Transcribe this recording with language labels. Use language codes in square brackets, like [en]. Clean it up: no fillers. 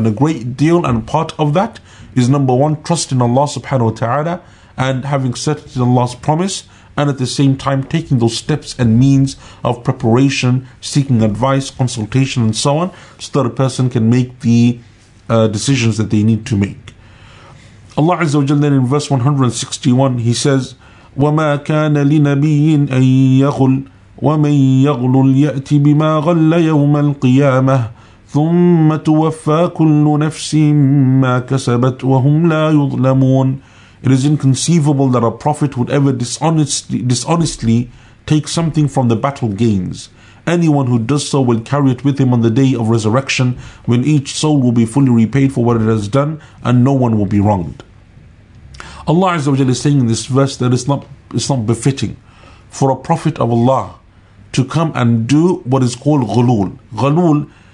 [en] And a great deal and part of that is, number one, trust in Allah subhanahu wa ta'ala and having certainty in Allah's promise, and at the same time taking those steps and means of preparation, seeking advice, consultation and so on, so that a person can make the decisions that they need to make. Allah Azza wa Jalla then in verse 161, he says, [ar] وَمَا كَانَ لِنَبِيٍّ أَن يَغُلَّ وَمَن يَغْلُلْ يَأْتِ بِمَا غَلَّ يَوْمَ الْقِيَامَةِ ثُمَّ تُوَفَّى كُلُّ نَفْسٍ مَا كَسَبَتْ وَهُمْ لَا يُظْلَمُونَ. [en] It is inconceivable that a prophet would ever dishonestly take something from the battle gains. Anyone who does so will carry it with him on the day of resurrection, when each soul will be fully repaid for what it has done and no one will be wronged. Allah Azza wa Jalla is saying in this verse that it's not befitting for a prophet of Allah to come and do what is called ghulul. Ghulul